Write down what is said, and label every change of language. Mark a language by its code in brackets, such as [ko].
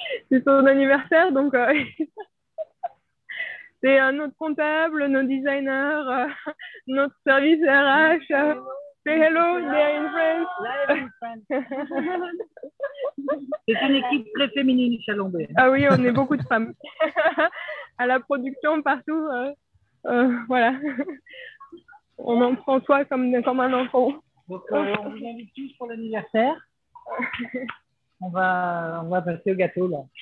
[fr] C'est ton anniversaire, donc c'est notre comptable, nos designers, notre service RH. [en] Say hello, they're in France. [fr] C'est une équipe très féminine, Chalombé. Ah oui, on est beaucoup de femmes. À la production, partout. Voilà. On en prend soin comme un enfant. Donc, on vous invite tous pour l'anniversaire. On va passer au gâteau, là.